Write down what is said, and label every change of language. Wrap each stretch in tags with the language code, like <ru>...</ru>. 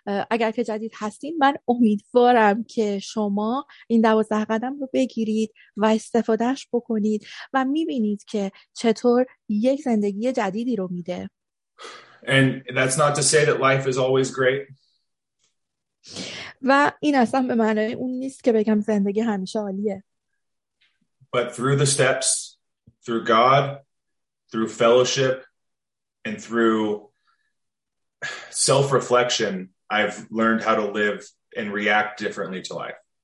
<fa>اگر که جدید هستین، من امیدوارم که شما این 12 قدم رو بگیرید و استفادهش بکنید و میبینید که چطور یک زندگی جدیدی رو میده.</fa> <en>And that's not to say that life is always great.</en> <fa>و این اصلا به معنی اون نیست که بگم زندگی همیشه عالیه.</fa> <en>But through the steps, through God, through fellowship, and through self-reflection, I've learned how to live and react differently to life.</en>